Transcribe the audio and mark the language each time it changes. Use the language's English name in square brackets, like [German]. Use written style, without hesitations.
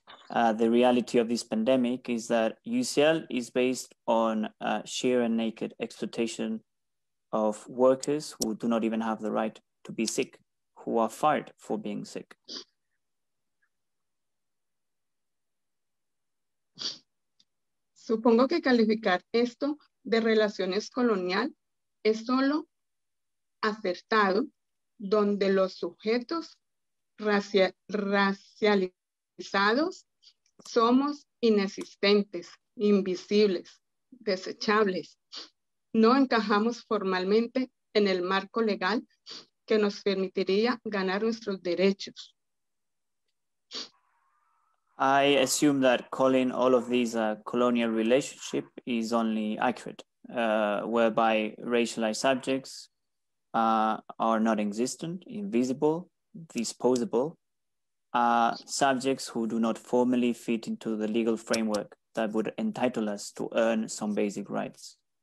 [English] The reality of this pandemic is that UCL is based on sheer and naked exploitation of workers who do not even have the right to be sick, who are fired for being sick. [Spanish] Supongo que calificar esto de relaciones colonial es solo acertado, donde los sujetos racializados somos inexistentes, invisibles, desechables. No encajamos formalmente en el marco legal que nos permitiría ganar nuestros derechos. [English] I assume that calling all of these a colonial relationship is only accurate, whereby racialized subjects are non-existent, invisible, disposable, subjects who do not formally fit into the legal framework that would entitle us to earn some basic rights.